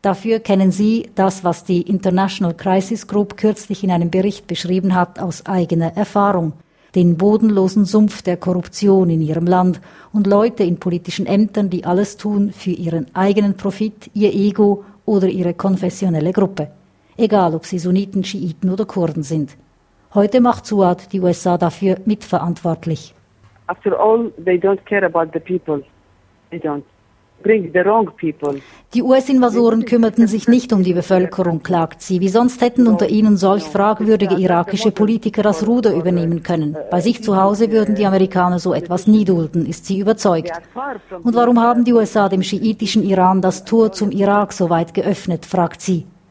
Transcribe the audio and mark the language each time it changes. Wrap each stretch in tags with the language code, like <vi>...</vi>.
<de>Dafür kennen sie das, was die International Crisis Group kürzlich in einem Bericht beschrieben hat, aus eigener Erfahrung. Den bodenlosen Sumpf der Korruption in ihrem Land und Leute in politischen Ämtern, die alles tun für ihren eigenen Profit, ihr Ego oder ihre konfessionelle Gruppe. Egal, ob sie Sunniten, Schiiten oder Kurden sind. Heute macht Suad die USA dafür mitverantwortlich.</de> <en>After all, they don't care about the people. They don't. Bring the wrong people.</en> <de>Die US-Invasoren kümmerten sich nicht um die Bevölkerung, klagt sie. Wie sonst hätten unter ihnen solch fragwürdige irakische Politiker das Ruder übernehmen können? Bei sich zu Hause würden die Amerikaner so etwas nie dulden, ist sie überzeugt. Und warum haben die USA dem schiitischen Iran das Tor zum Irak so weit geöffnet, fragt sie.</de>